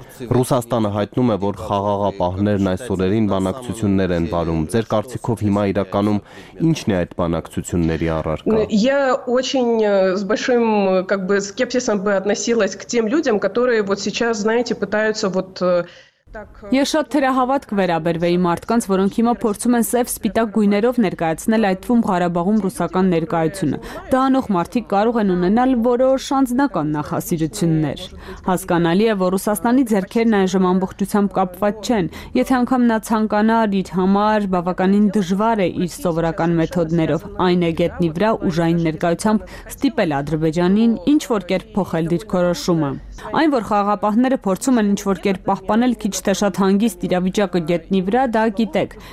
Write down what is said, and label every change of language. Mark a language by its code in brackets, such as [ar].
[hy] Ռուսաստանը հայտնում է, որ խաղաղապահներն այս օրերին բանակցություններ են վարում։ Ձեր կարծիքով հիմա իրականում ի՞նչն է այդ բանակցությունների առարկա։ [ru] Я очень с большим как бы скепсисом бы относилась к тем людям, которые вот сейчас, знаете, пытаются вот [hy] Ես շատ թերահավատք վերաբերվեի մարդկանց, որոնք հիմա փորձում են սև սպիտակ գույներով ներկայացնել այդ թվում Ղարաբաղում ռուսական ներկայությունը։ Դա անող մարդիկ կարող են ունենալ որոշ անձնական նախասիրություններ։ Հասկանալի է, որ Ռուսաստանի ձեռքերն այժմ ամբողջությամբ կապված չեն, եթե անգամ նա ցանկանար, իր համար բավականին դժվար է իր սովորական մեթոդներով այն գետնի վրա ուժային ներկայությամբ ստիպել Ադրբեջանին ինչ որ կերպ փոխել դիրքորոշումը։ Այն, որ խաղապահները փորձում են ինչ-որ կերպ պահպանել քիչ թե շատ հանգիստ իրավիճակը գետնի վրա, դա գիտեք,